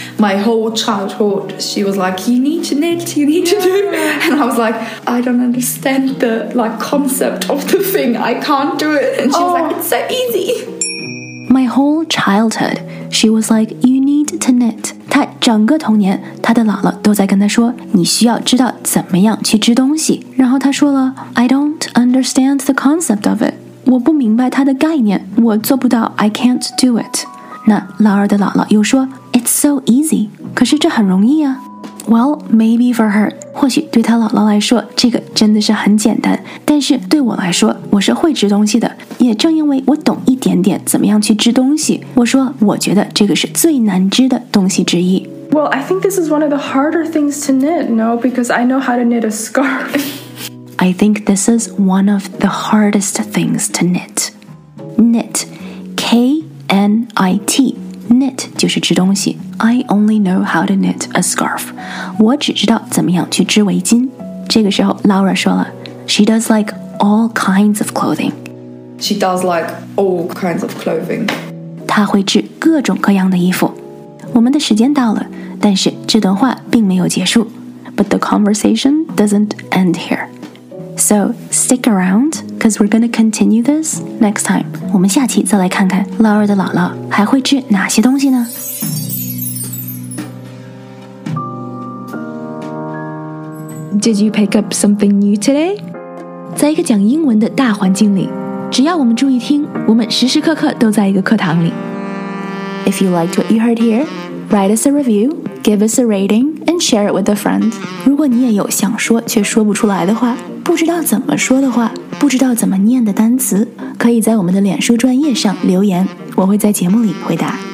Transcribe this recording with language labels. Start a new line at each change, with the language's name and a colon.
English: My whole childhood, she was like, you need to knit, you need to do. And I was like, I don't understand the like concept of the thing. I can't do it. And she was like, it's so easy. My whole childhood, she was like, you need to knit.
Chinese: 她整个童年，她的姥姥都在跟她说，你需要知道怎么样去织东西。然后她说了，
English: I don't understand the concept of it.
Chinese: 我不明白它的概念，我做不到，
English: I can't do it.
Chinese: 那老二的姥姥又说，
English: It's so easy.
Chinese: 可是这很容易啊。
English: Well, maybe for her.
Chinese: 或许对她姥姥来说，这个真的是很简单。但是对我来说，我是会织东西的。也正因为我懂一点点怎么样去织东西，我说我觉得这个是最难织的东西之一。
English: Well, I think this is one of the harder things to knit, no? Because I know how to knit a scarf. I think this is one of the hardest things to knit.
Chinese: Knit. K-N-I-T. Knit 就是织东西。
English: I only know how to knit a scarf.
Chinese: 我只知道怎么样去织围巾。这个时候 Laura 说了，
English: She does like all kinds of clothing. She does like all kinds of clothing.
Chinese: 她会织各种各样的衣服。我们的时间到了，但是这段话并没有结束。
English: But the conversation doesn't end here. So stick around, because we're going to continue this next time.
Chinese: 我们下期再来看看 Laura 的姥姥还会织哪些东西呢？
English: Did you pick up something new today?
Chinese: 在一个讲英文的大环境里，只要我们注意听，我们时时刻刻都在一个课堂里。
English: If you liked what you heard here, write us a review, give us a rating, and share it with a friend.
Chinese: 如果你也有想说却说不出来的话，不知道怎么说的话，不知道怎么念的单词，可以在我们的脸书专页上留言，我会在节目里回答。